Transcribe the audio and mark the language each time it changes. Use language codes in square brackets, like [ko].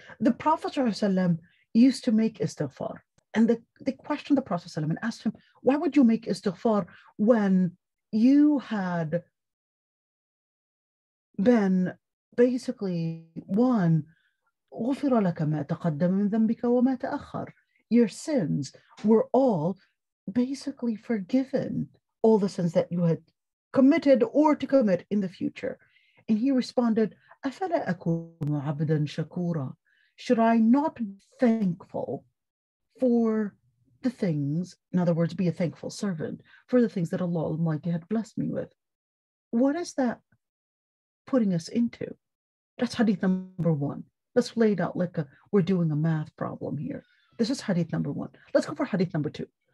[en] The Prophet ﷺ used to make istighfar. And they questioned the Prophet ﷺ and asked him, why would you make istighfar when you had been basically one, [ar] غُفِرَ لَكَ مَا تَقَدَّمَ مِنْ ذَنْبِكَ وَمَا تَأَخَّرَ. [en] Your sins were all basically forgiven, all the sins that you had committed or to commit in the future. And he responded, [ar] أَفَلَا أَكُونُ عَبْدًا شَكُورًا. [en] Should I not be thankful for the things, in other words, be a thankful servant for the things that Allah Almighty had blessed me with? What is that putting us into? That's hadith number one. Let's lay it out like we're doing a math problem here. This is hadith number one. Let's go for hadith number two.